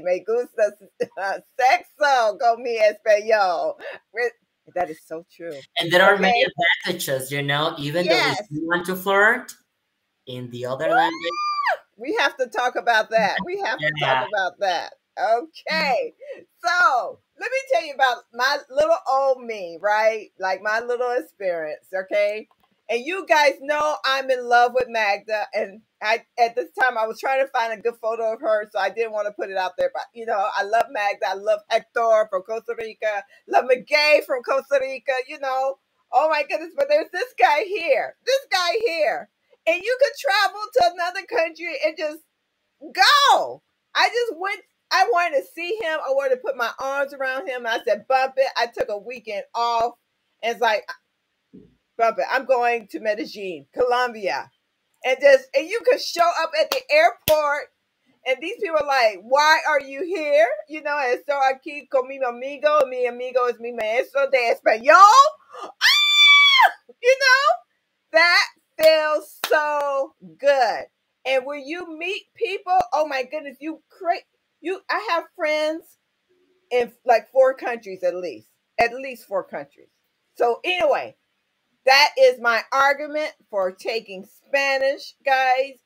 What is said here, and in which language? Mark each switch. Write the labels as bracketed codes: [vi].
[es] Me gusta sexo con mi español. [en] That is so true. And there are many advantages, you know, even though you want to flirt in the other language. We have to talk about that. We have to talk about that. Okay. So let me tell you about my little old me, right? Like my little experience, okay? And you guys know I'm in love with Magda. And at this time, I was trying to find a good photo of her, so I didn't want to put it out there. But, you know, I love Magda. I love Hector from Costa Rica. Love McGay from Costa Rica, you know. Oh, my goodness. But there's this guy here. This guy here. And you could travel to another country and just go. I wanted to see him. I wanted to put my arms around him. I said, bump it. I took a weekend off. And it's like, bump it. I'm going to Medellin, Colombia. And you could show up at the airport, and these people are like, why are you here? You know, and so I keep [es] con mi amigo es mi maestro de español. [en] You know, that feels so good. And when you meet people, oh my goodness, I have friends in like four countries at least four countries. So anyway, that is my argument for taking Spanish, guys.